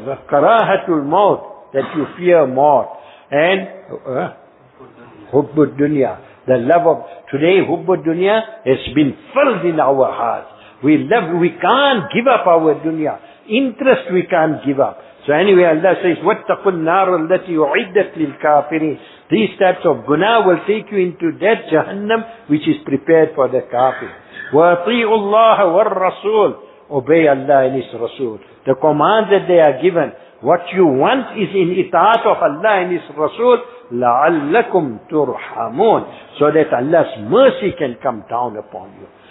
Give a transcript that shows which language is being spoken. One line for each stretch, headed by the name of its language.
English: Karahatul maut, that you fear maut. And hubbud dunya, the love of... Today, hubbud dunya has been filled in our hearts. We love, we can't give up our dunya. Interest we can't give up. So anyway, Allah says,
Arabic: وَاتَّقُوا النَّارُ الَّتِي أُعِدَّتْ لِلْكَافِرِينَ.
English: These types of guna will take you into that jahannam which is prepared for the kafir.
Arabic: وَأَطِيعُوا اللَّهَ وَالرَّسُولَ.
English: Obey Allah and His Rasul. The commands that they are given, what you want is in itaat of Allah and His Rasul,
Arabic: لَعَلَّكُمْ تُرْحَمُونَ,
English: so that Allah's mercy can come down upon you.